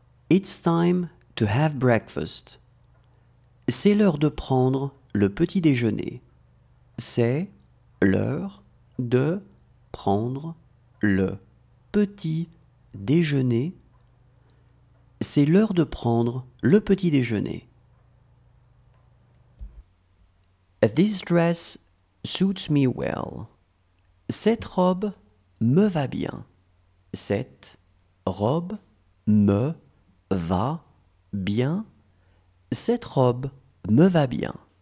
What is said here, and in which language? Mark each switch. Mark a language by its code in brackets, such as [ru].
[en] It's time to have breakfast. [fr] C'est l'heure de prendre le petit déjeuner. C'est l'heure de prendre le petit déjeuner. C'est l'heure de prendre le petit déjeuner. [en] This dress suits me well. [fr] Cette robe me va bien. Cette robe me va bien. Cette robe me va bien.